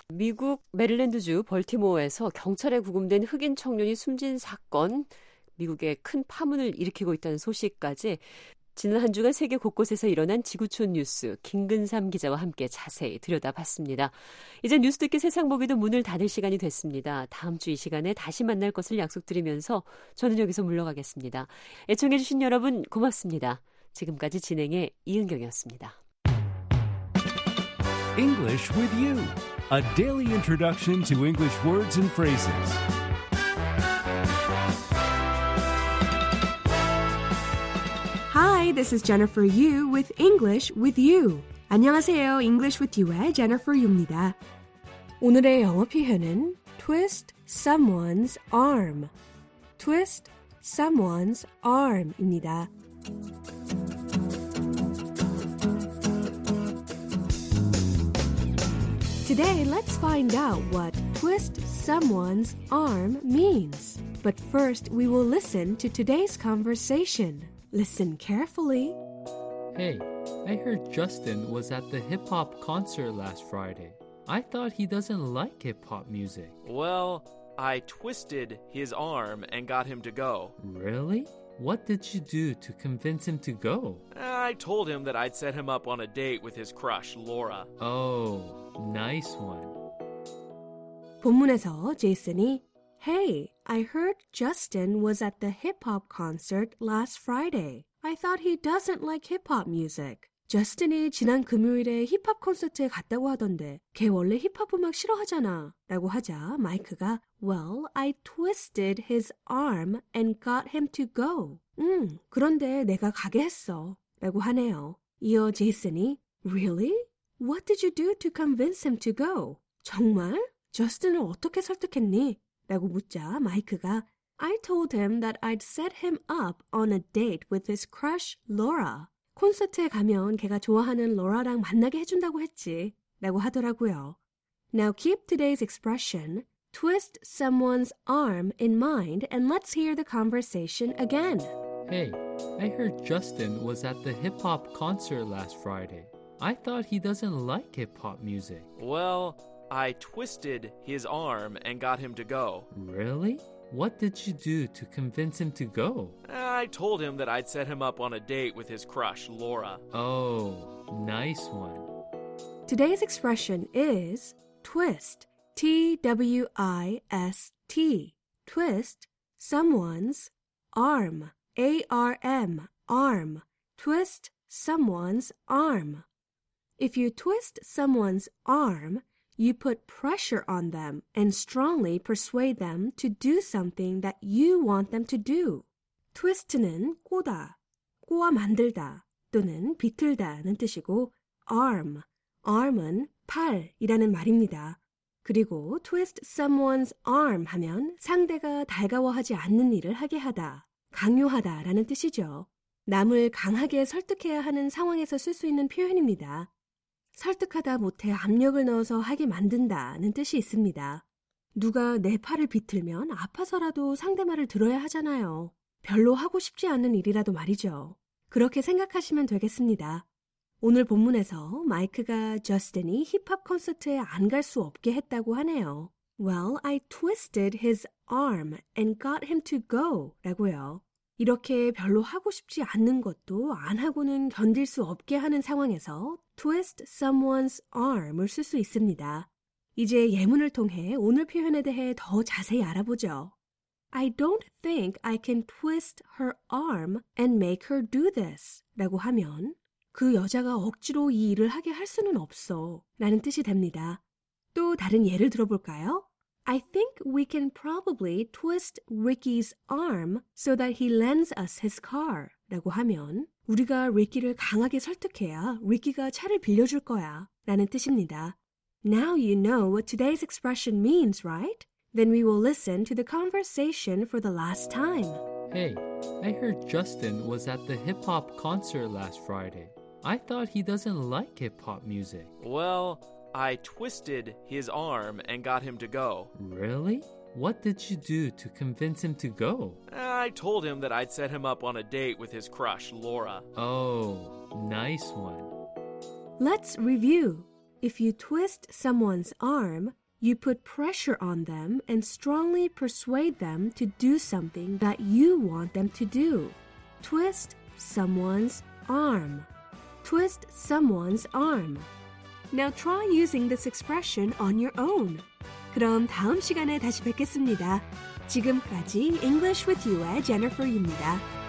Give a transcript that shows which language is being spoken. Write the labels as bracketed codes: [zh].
[ko] 미국 메릴랜드주 볼티모어에서 경찰에 구금된 흑인 청년이 숨진 사건, 미국에 큰 파문을 일으키고 있다는 소식까지 지난 한 주간 세계 곳곳에서 일어난 지구촌 뉴스 김근삼 기자와 함께 자세히 들여다봤습니다. 이제 뉴스 듣기 세상 보기도 문을 닫을 시간이 됐습니다. 다음 주 이 시간에 다시 만날 것을 약속드리면서 저는 여기서 물러가겠습니다. 애청해 주신 여러분 고맙습니다. 지금까지 진행의 이은경이었습니다. [en] English with you. A daily introduction to English words and phrases. Hi, this is Jennifer Yu with English with You. [ko] 안녕하세요, English with You의 Jennifer Yu입니다. 오늘의 영어 표현은 twist someone's arm. [en] Twist someone's arm입니다. [ko] 오늘 [en] let's find out what twist someone's arm means. But first, we will listen to today's conversation. Listen carefully. Hey, I heard Justin was at the hip-hop concert last Friday. I thought he doesn't like hip-hop music. Well, I twisted his arm and got him to go. Really? What did you do to convince him to go? I told him that I'd set him up on a date with his crush, Laura. Oh, nice one. [ko] 본문에서 제이슨이 [en] Hey, I heard Justin was at the hip-hop concert last Friday. I thought he doesn't like hip-hop music. [ko] 저스틴이 지난 금요일에 힙합 콘서트에 갔다고 하던데 걔 원래 힙합 음악 싫어하잖아 라고 하자 마이크가 [en] Well, I twisted his arm and got him to go. [ko] 그런데 내가 가게 했어 라고 하네요. 이어 제이슨이 [en] Really? What did you do to convince him to go? [ko] 정말? 저스틴을 어떻게 설득했니? 라고 묻자 마이크가 [en] I told him that I'd set him up on a date with his crush, Laura. [ko] 콘서트에 가면 걔가 좋아하는 로라랑 만나게 해준다고 했지 라고 하더라고요. [en] Now keep today's expression, twist someone's arm in mind and let's hear the conversation again. Hey, I heard Justin was at the hip-hop concert last Friday. I thought he doesn't like hip-hop music. Well, I twisted his arm and got him to go. Really? What did you do to convince him to go? I told him that I'd set him up on a date with his crush, Laura. Oh, nice one. Today's expression is twist. T-W-I-S-T. Twist someone's arm. A-R-M. Arm. Twist someone's arm. If you twist someone's arm, you put pressure on them and strongly persuade them to do something that you want them to do. [ko] Twist는 꼬다, 꼬아 만들다 또는 비틀다는 뜻이고 arm, arm은 팔이라는 말입니다. 그리고 twist someone's arm 하면 상대가 달가워하지 않는 일을 하게 하다, 강요하다 라는 뜻이죠. 남을 강하게 설득해야 하는 상황에서 쓸 수 있는 표현입니다. 설득하다 못해 압력을 넣어서 하게 만든다는 뜻이 있습니다. 누가 내 팔을 비틀면 아파서라도 상대 말을 들어야 하잖아요. 별로 하고 싶지 않은 일이라도 말이죠. 그렇게 생각하시면 되겠습니다. 오늘 본문에서 마이크가 저스틴이 힙합 콘서트에 안 갈 수 없게 했다고 하네요. [en] Well, I twisted his arm and got him to go [ko] 라고요. 이렇게 별로 하고 싶지 않는 것도 안 하고는 견딜 수 없게 하는 상황에서 twist someone's arm을 쓸 수 있습니다. 이제 예문을 통해 오늘 표현에 대해 더 자세히 알아보죠. [en] I don't think I can twist her arm and make her do this [ko] 라고 하면 그 여자가 억지로 이 일을 하게 할 수는 없어 라는 뜻이 됩니다. 또 다른 예를 들어볼까요? [en] I think we can probably twist Ricky's arm so that he lends us his car. [ko] 라고 하면 우리가 Ricky를 강하게 설득해야 Ricky가 차를 빌려줄 거야 라는 뜻입니다. [en] Now you know what today's expression means, right? Then we will listen to the conversation for the last time. Hey, I heard Justin was at the hip-hop concert last Friday. I thought he doesn't like hip-hop music. Well, I twisted his arm and got him to go. Really? What did you do to convince him to go? I told him that I'd set him up on a date with his crush, Laura. Oh, nice one. Let's review. If you twist someone's arm, you put pressure on them and strongly persuade them to do something that you want them to do. Twist someone's arm. Twist someone's arm. Now try using this expression on your own. [ko] 그럼 다음 시간에 다시 뵙겠습니다. 지금까지 English with You의 Jennifer입니다.